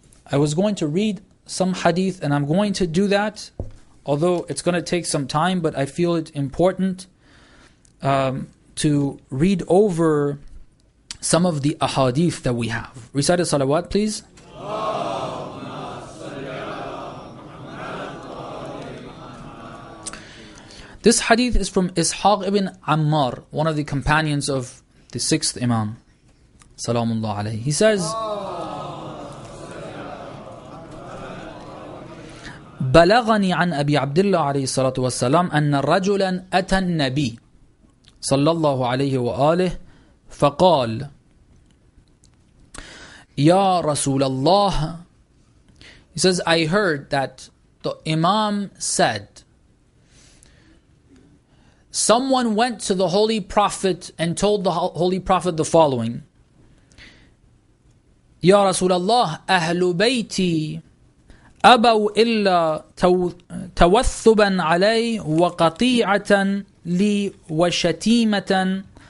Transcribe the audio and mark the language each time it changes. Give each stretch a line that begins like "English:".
English: I was going to read some hadith, and I'm going to do that, although it's going to take some time, but I feel it important to read over some of the ahadith that we have. Recite a salawat, please. This hadith is from Ishaq ibn Ammar, one of the companions of the sixth Imam, salamullah alayhi. He says,
Arabic: بلغني عن أبي عبد الله عليه الصلاة والسلام أن رجلا أتى النبي صلى الله عليه وآله فقال يا رسول الله.
English: He says, I heard that the Imam said, someone went to the Holy Prophet and told the Holy Prophet the following,
Arabic: يا رسول الله أهل بيتي أبوا إلا توثبا علي وقطيعة لي وشتيمة.